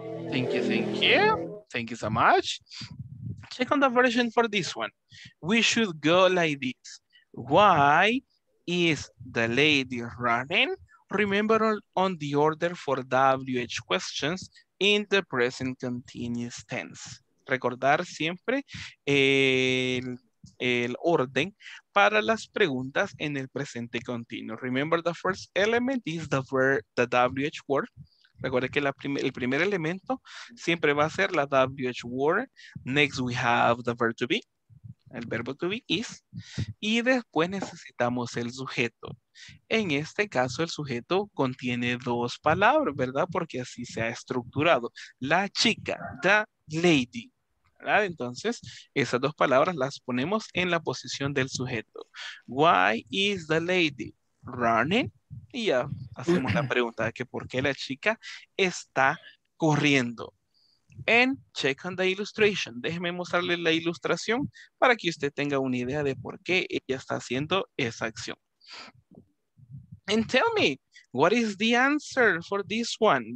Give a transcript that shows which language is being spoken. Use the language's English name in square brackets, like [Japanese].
[English] Thank you, thank you. Thank you so much. Check on the version for this one. We should go like this. Why is the lady running? Remember on the order for WH questions in the present continuous tense. [Spanish] Recordar siempre el orden para las preguntas en el presente continuo. [English] Remember the first element is the verb, the WH word. [Spanish] Recuerde que el primer elemento siempre va a ser la WH word. [English] Next we have the verb to be. [Spanish] El verbo [English] to be is. [Spanish] Y después necesitamos el sujeto. En este caso el sujeto contiene dos palabras, ¿verdad? Porque así se ha estructurado. La chica, [English] the lady. [Spanish] ¿Verdad? Entonces esas dos palabras las ponemos en la posición del sujeto. [English] Why is the lady running? [Spanish] Y ya hacemos la pregunta de que por qué la chica está corriendo. [English] And check on the illustration. [Spanish] Déjeme mostrarle la ilustración para que usted tenga una idea de por qué ella está haciendo esa acción. [English] And tell me, what is the answer for this one?